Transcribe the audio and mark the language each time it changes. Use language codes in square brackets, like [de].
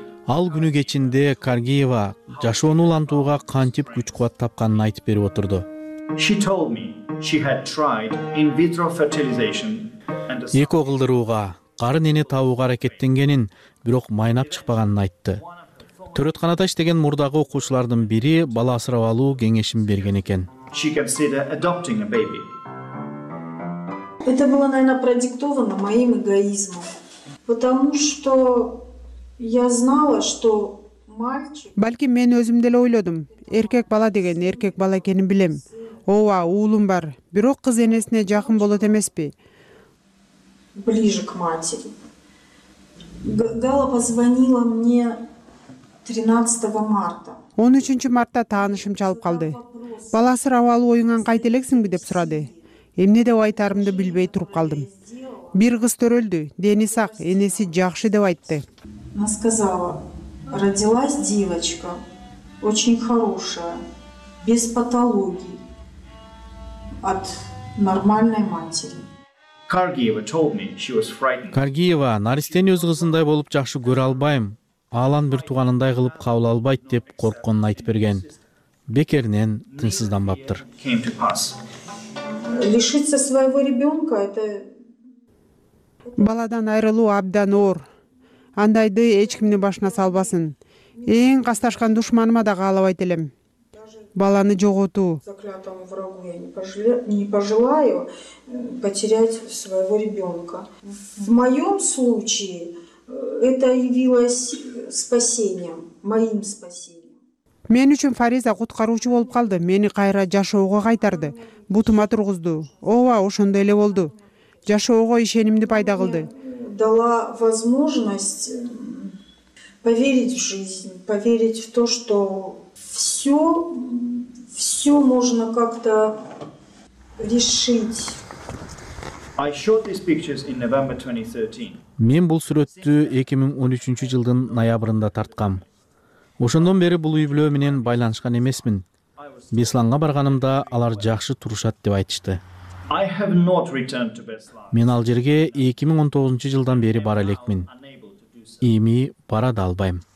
[ky] Ал күнү кечинде Каргиева жашоону улантууга кантип күч кубат тапканын айтып берип отурду. Эко кылдырууга, карын эне табууга аракеттенгенин, бирок майнап чыкпаганын айтты. Төрөтканада иштеген мурдагы окуучулардын бири бала асырап алуу кеңешин берген экен. [en] She considered adopting a baby. [ru] Это было, наверное, продиктовано моим эгоизмом. Потому что я знала, что мальчик. [ky] Балким мен өзүм деле ойлодум. Эркек бала деген эркек бала экенин билем. Ооба, уулум бар. Бирок кыз энесине жакын болот эмеспи? [ru] Ближе к матери. Гала позвонила мне 13 марта. [ky] 13 мартта таанышым чалып калды. Бала асырап алуу оюнан кайта элексиңби деп сурады. Эмне деп айтарымды билбей туруп калдым. Бир кыз төрөлдү, дени сак, энеси жакшы деп айтты. [ru] Она сказала: "Родилась девочка, очень хорошая, без патологий, от нормальной матери". [en] Каргиева told me she was frightened. [ky] Каргиева наристени өз кызындай болуп жакшы көрө албайм. Алан бир туугандай кылып кабыл албайт деп коркконун айтып берген. Бекеринен тынсызданбаптыр. [ru] Лишиться своего ребёнка это [ky] баладан айрылуу абдан оор. Андайды эч кимдин башына салбасын. Эң касташкан душманыма да каалабайт элем. Баланы жоготуу. [ru] Заклятому врагу я не пожелаю потерять своего ребёнка. В моём случае это явилось спасением, моим спасением. [ky] Мен үчүн Фариза куткаруучу болуп калды, мени кайра жашоого кайтарды, бутума тургузду. Ооба, ошондой эле болду. Жашоого ишенимди пайда кылды. [ru] Дала возможность поверить в жизнь, поверить в то, что всё можно как-то решить. [en] I shot these pictures in November 2013. [ky] Мен бул сүрөттү 2013 жылдын ноябрында тарткам. Ошондон бери бул үй-бүлө менен байланышкан эмесмин. Бесланга барганымда алар жакшы турушат деп айтышты. Мен ал жерге 2019 жылдан бери бара элекмин. Эми бара да албайм.